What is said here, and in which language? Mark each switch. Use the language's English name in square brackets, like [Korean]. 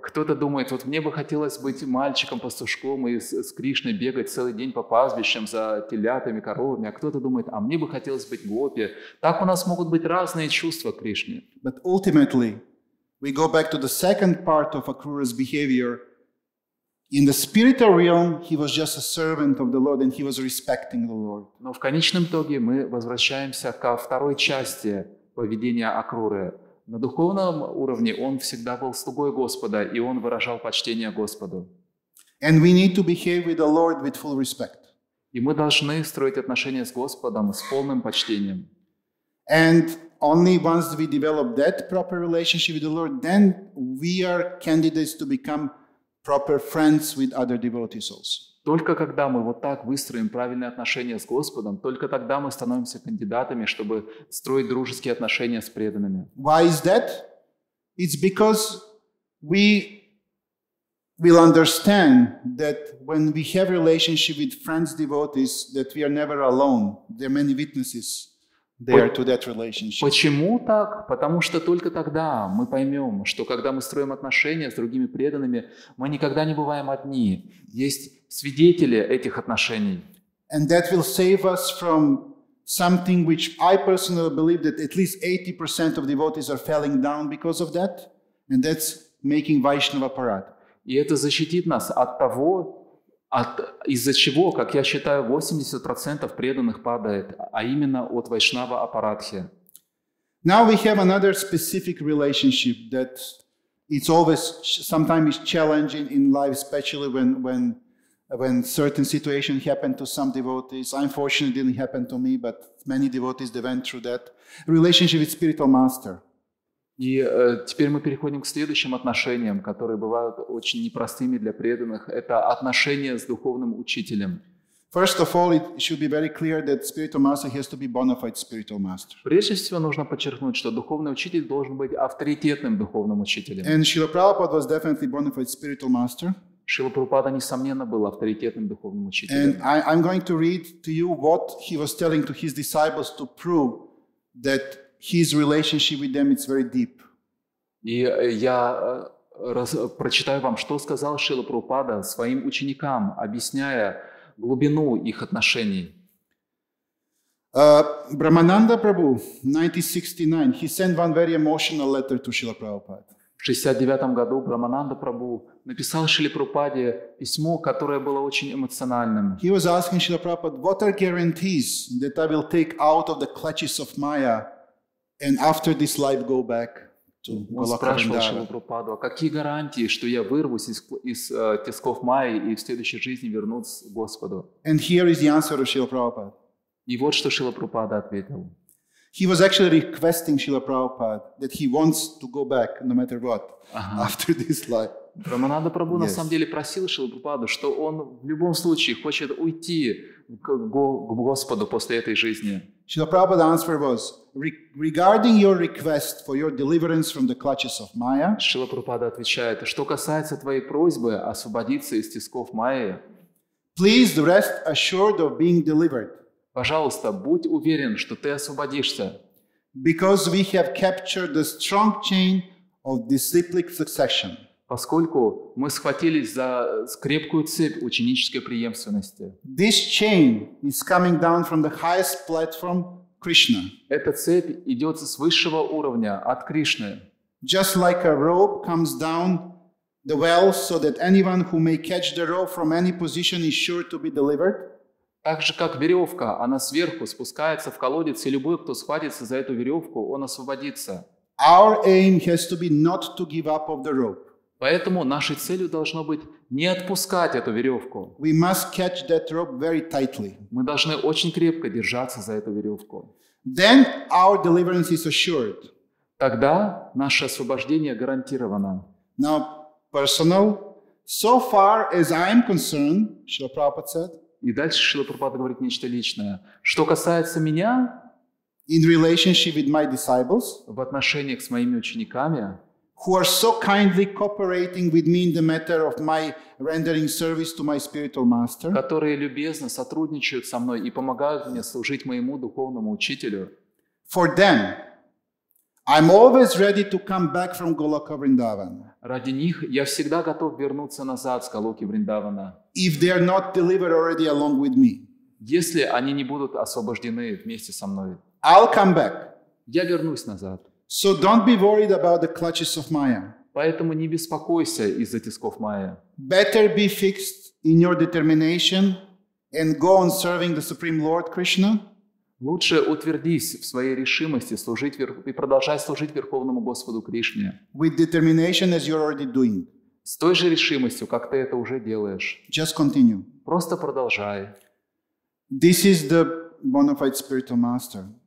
[Russian] Кто-то думает, вот мне бы хотелось быть мальчиком-пастушком и с Кришной бегать целый день по пастбищам за телятами, коровами. А кто-то думает, а мне бы хотелось быть гопи. Так у нас могут быть разные чувства к Кришне. [English] But ultimately, we go back to the second part of Akrura's behavior. In the spiritual realm, he was just a servant of the Lord and he was respecting the Lord. [Russian] Но в конечном итоге мы возвращаемся ко второй части поведения Акруры. На духовном уровне он всегда был слугой Господа, и он выражал почтение Господу. [English] And we need to behave with the Lord with full respect. [Russian] И мы должны строить отношения с Господом с полным почтением. [English] And only once we develop that proper relationship with the Lord, then we are candidates to become proper friends with other devotees also. [Russian] Только когда мы вот так выстроим правильные отношения с Господом, только тогда мы становимся кандидатами, чтобы строить дружеские отношения с преданными. [English] Why is that? It's because we will understand that when we have relationship with friends, devotees, that we are never alone. There are many witnesses there to that relationship. [Russian] Почему так? Потому что только тогда мы поймем, что когда мы строим отношения с другими преданными, мы никогда не бываем одни. Есть свидетели этих отношений. [English] And that will save us from something which I personally believe that at least 80% of devotees are falling down because of that, and that's making Vaishnava parad. [Russian] И это защитит нас от того, из-за чего, как я считаю, 80% преданных падает, а именно от Вайшнава апарадхи. [English] Now we have another specific relationship that it's always sometimes challenging in life, especially when certain situation happened to some devotees. Unfortunately, it didn't happen to me, but many devotees they went through that relationship with spiritual master. [Russian] И теперь мы переходим к следующим отношениям, которые бывают очень непростыми для преданных. Это отношения с духовным учителем. [English] First of all, it should be very clear that spiritual master has to be bona fide spiritual master. [Russian] Прежде всего нужно подчеркнуть, что духовный учитель должен быть авторитетным духовным учителем. [English] And Srila Prabhupada was definitely bona fide spiritual master. [Russian] Шрила Прабхупада несомненно был авторитетным духовным учителем. [English] And I'm going to read to you what he was telling to his disciples to prove that his relationship with them is very deep. [Russian] И я прочитаю вам, что сказал Шрила Прабхупада своим ученикам, объясняя глубину их отношений. [English] Брамананда Прабху, 1969, he sent one very emotional letter to Srila Prabhupada. [Russian] В 69 году Брамананда Прабху написал Шриле Прабхупаде письмо, которое было очень эмоциональным. [English] He was asking Srila Prabhupada, what are guarantees that I will take out of the clutches of Maya and after this life go back? [Russian] Он спрашивал Шрилу Прабхупаду, а какие гарантии, что я вырвусь из тисков Майи и в следующей жизни вернусь к Господу? [English] And here is the answer of Srila Prabhupada. [Russian] И вот что Шрила Прабхупада ответил. [English] He was actually requesting Srila Prabhupada that he wants to go back no matter what after this life. [Russian] Брамананда Прабху на самом деле просил Шрилу Прабхупаду, что он в любом случае хочет уйти к Господу после этой жизни. [English] Srila Prabhupada's answer was, regarding your request for your deliverance from the clutches of Maya. [Russian] Шрила Прабхупада отвечает, что касается твоей просьбы освободиться из тисков Майи. [English] Please rest assured of being delivered. [Russian] Пожалуйста, будь уверен, что ты освободишься. [English] Because we have captured the strong chain of disciplic succession. [Russian] Поскольку мы схватились за крепкую цепь ученической преемственности. [English] This chain is coming down from the highest platform, Krishna. [Russian] Эта цепь идет с высшего уровня, от Кришны. [English] Just like a rope comes down the well so that anyone who may catch the rope from any position is sure to be delivered. [Russian] Так же, как веревка, она сверху спускается в колодец, и любой, кто схватится за эту веревку, он освободится. [English] Our aim has to be not to give up of the rope. [Russian] Поэтому нашей целью должно быть не отпускать эту веревку. [English] We must catch that rope very tightly. [Russian] Мы должны очень крепко держаться за эту веревку. [English] Then our deliverance is assured. [Russian] Тогда наше освобождение гарантировано. [English] Now, personal, so far as I am concerned, Srila Prabhupada said. [Russian] И дальше Шрила Прабхупада говорит нечто личное. Что касается меня, [English] in relationship with my disciples, [Russian] в отношениях с моими учениками, [English] who are so kindly cooperating with me in the matter of my rendering service to my spiritual master, [Russian] которые любезно сотрудничают со мной и помогают мне служить моему духовному учителю, [English] for them, I'm always ready to come back from Goloka Vrindavan. [Russian] Ради них я всегда готов вернуться назад с Голоки Вриндавана. [English] If they are not delivered already along with me, [Russian] если они не будут освобождены вместе со мной, [English] I'll come back. [Russian] Я вернусь назад. [English] So don't be worried about the clutches of Maya. [Russian] Поэтому не беспокойся из-за тисков Майя. [English] Better be fixed in your determination and go on serving the Supreme Lord Krishna. [Russian] Лучше утвердись в своей решимости служить и продолжай служить Верховному Господу Кришне. [English] With determination as you're already doing. [Russian] С той же решимостью, как ты это уже делаешь. [English] Just continue. [Russian] Просто продолжай. [English] This is the bona fide spiritual master.